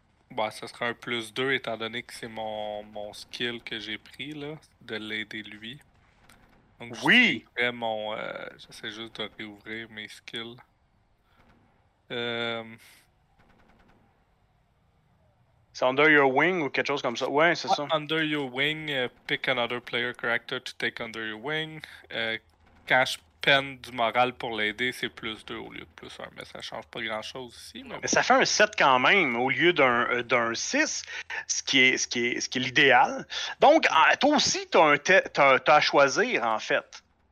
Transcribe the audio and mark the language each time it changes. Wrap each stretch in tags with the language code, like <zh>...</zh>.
<fr>Bon, ça serait un plus 2 étant donné que c'est mon skill que j'ai pris, là, de l'aider lui. Donc, oui! J'essaie juste de réouvrir mes skills. C'est Under Your Wing ou quelque chose comme ça? Ouais, c'est ça.</fr> <en>Under Your Wing, pick another player character to take under your wing.</en> <fr>Quand je peine du moral pour l'aider, c'est plus 2 au lieu de plus 1. Mais ça change pas grand-chose ici. Mais ça fait un 7 quand même au lieu d'un 6, ce qui est l'idéal. Donc, toi aussi, t'as à choisir, en fait.</fr>